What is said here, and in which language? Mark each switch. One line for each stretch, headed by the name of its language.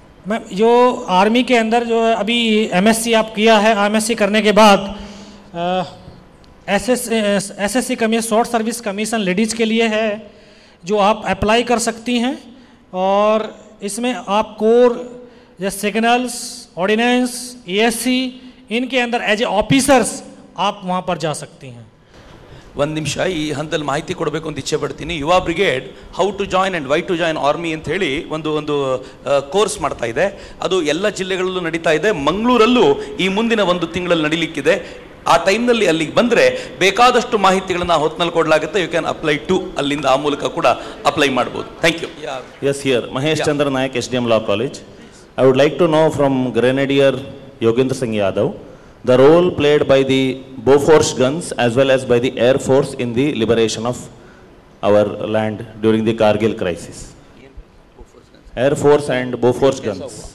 Hindi: Ma'am जो army के अंदर जो अभी एमएससी आप किया है, एमएससी करने के बाद SSC commission short service commission ladies के लिए है जो आप अप्लाई कर सकती हैं, और इसमें आप कोर जैसे सिग्नल्स ऑर्डिनेंस ईएससी इनके अंदर एज ए ऑफिसर्स आप वहां पर जा सकती हैं।
Kannada: ಒಂದು ನಿಮಿಷ ಈ ಹಂತದಲ್ಲಿ ಮಾಹಿತಿ ಕೊಡಬೇಕು ಅಂತ ಇಚ್ಛೆ ಪಡ್ತೀನಿ. ಯುವ brigade
English: how to join and why to join army
Kannada: ಅಂಥೇಳಿ ಒಂದು ಒಂದು ಕೋರ್ಸ್ ಮಾಡ್ತಾ ಇದೆ, ಅದು ಎಲ್ಲ ಜಿಲ್ಲೆಗಳಲ್ಲೂ ನಡೀತಾ ಇದೆ, ಮಂಗಳೂರಲ್ಲೂ ಈ ಮುಂದಿನ ಒಂದು ತಿಂಗಳಲ್ಲಿ ನಡೀಲಿಕ್ಕಿದೆ. ಆ ಟೈಮ್ನಲ್ಲಿ ಅಲ್ಲಿಗೆ ಬಂದರೆ ಬೇಕಾದಷ್ಟು ಮಾಹಿತಿಗಳನ್ನು ಹೊತ್ತಿನಲ್ಲಿ ಕೊಡಲಾಗುತ್ತೆ,
English: you can apply to
Kannada: ಅಲ್ಲಿಂದ ಆ ಮೂಲಕ ಕೂಡ ಅಪ್ಲೈ ಮಾಡ್ಬೋದು.
English: Thank you. Yes here Mahesh Chandra Nayak, S D M law college. I would like to know from grenadier Yogendra Singh Yadav the role played by the Bofors guns as well as by the air force in the liberation of our land during the Kargil crisis. Air force and Bofors guns.